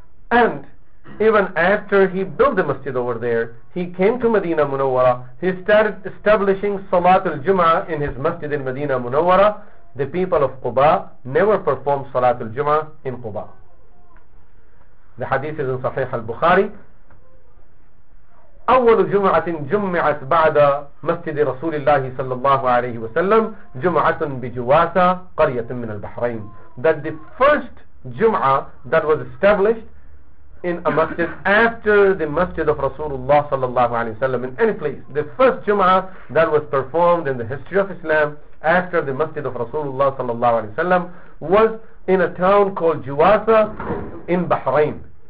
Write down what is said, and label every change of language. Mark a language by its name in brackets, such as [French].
[English] And even after he built the masjid over there, he came to Medina Munawwara, he started establishing Salatul Jum'ah in his masjid in Medina Munawwara. The people of Quba never performed Salatul Jum'ah in Quba. The hadith is in Sahih al-Bukhari. [Arabic] أول جمعة جمعت بعد مسجد رسول الله صلى الله عليه وسلم جمعة بجواسة قرية من البحرين. [English] That the first Jum'ah that was established in a masjid after the masjid of Rasulullah sallallahu alayhi wa sallam in any place. The first Jum'ah that was performed in the history of Islam after the masjid of Rasulullah sallallahu alayhi wa sallam was in a town called Juwasa in Bahrain.